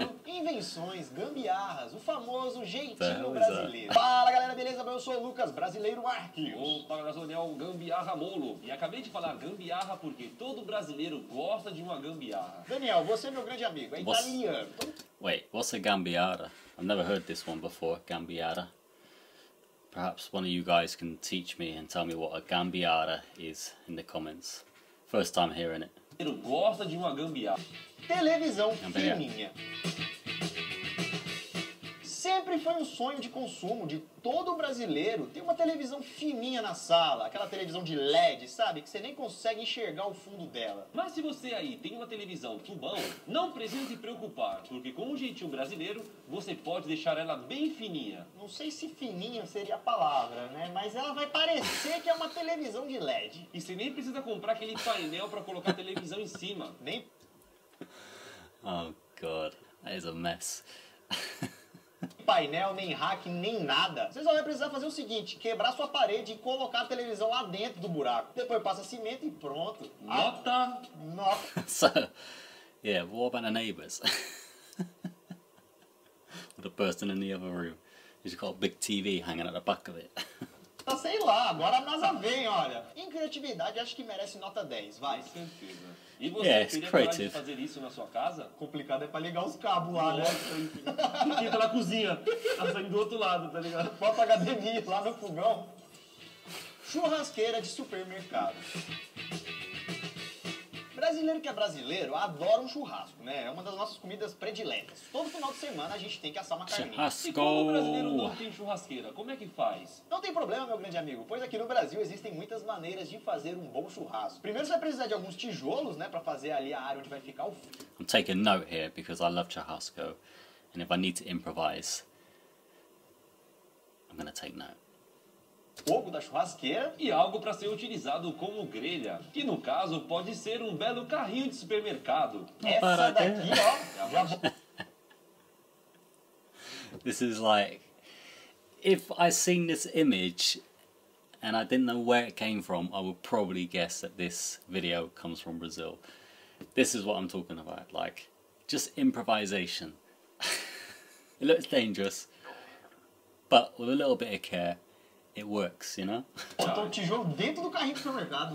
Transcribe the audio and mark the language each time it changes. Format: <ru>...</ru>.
<pt>Invenções, gambiarras, o famoso jeitinho brasileiro. Fala galera, beleza? Eu sou o Lucas, brasileiro Marques. Opa, eu sou o Daniel Gambiarra Molo. E acabei de falar gambiarra porque todo brasileiro gosta de uma gambiarra. Daniel, você é meu grande amigo, é italiano.</pt> <en>Wait, what's a gambiarra? I've never heard this one before, gambiarra. Perhaps one of you guys can teach me and tell me what a gambiarra is in the comments. First time hearing it.</en> <pt>Eu gosto de uma gambiarra. Televisão fininha. Sempre foi um sonho de consumo de todo brasileiro ter uma televisão fininha na sala. Aquela televisão de LED, sabe? Que você nem consegue enxergar o fundo dela. Mas se você aí tem uma televisão tubão, não precisa se preocupar. Porque com o jeitinho brasileiro, você pode deixar ela bem fininha. Não sei se fininha seria a palavra, né? Mas ela vai parecer que é uma televisão de LED. E você nem precisa comprar aquele painel pra colocar a televisão em cima. Nem...</pt> <en>Oh, God. That is a mess.</en> <pt>Painel, nem rack, nem nada. Você só vai precisar fazer o seguinte: quebrar sua parede e colocar a televisão lá dentro do buraco. Depois passa cimento e pronto. Nota! Nota!</pt> <en>So, yeah, what about the neighbors? The person in the other room. He's got a big TV hanging at the back of it.</en> <pt>Sei lá, agora a NASA vem, olha. Em criatividade, acho que merece nota 10, vai. Com certeza. E você, yeah, teria coragem de fazer isso na sua casa? Complicado é pra ligar os cabos lá, né? Que tá na cozinha, tá saindo do outro lado, tá ligado? Bota a HDMI lá no fogão. Churrasqueira de supermercado. Brasileiro que é brasileiro adora um churrasco, né? É uma das nossas comidas prediletas. Todo final de semana a gente tem que assar uma carninha. Churrasco. E como o brasileiro não tem churrasqueira, como é que faz? Não tem problema, meu grande amigo, pois aqui no Brasil existem muitas maneiras de fazer um bom churrasco. Primeiro você vai precisar de alguns tijolos, né, pra fazer ali a área onde vai ficar o fogo.</pt> <en>I'm taking note here because I love churrasco. And if I need to improvise, I'm gonna take note.</en> <pt>fogo da churrasqueira e algo para ser utilizado como grelha, que no caso pode ser um belo carrinho de supermercado. Essa daqui, ó.</pt> <en>This is like, if I seen this image and I didn't know where it came from, I would probably guess that this video comes from Brazil. This is what I'm talking about, like, just improvisation. It looks dangerous, but with a little bit of care, it works, you know?</en> <pt>Botou um tijolo dentro do carrinho do supermercado.</pt>